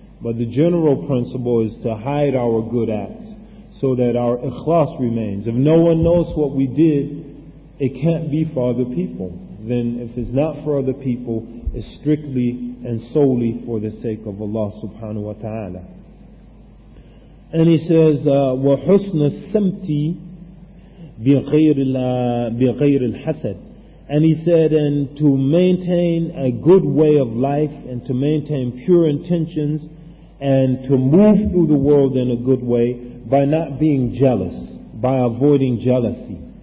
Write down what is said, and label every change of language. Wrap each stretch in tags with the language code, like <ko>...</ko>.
<en>But the general principle is to hide our good acts so that our ikhlas remains. If no one knows what we did, it can't be for other people. Then if it's not for other people, it's strictly and solely for the sake of Allah subhanahu wa ta'ala. And he says,</en> <ar>وَحُسْنَ السَّمْتِ بِغَيْرِ الْحَسَدِ.</ar> <en>And he said, and to maintain a good way of life and to maintain pure intentions and to move through the world in a good way by not being jealous, by avoiding jealousy.</en>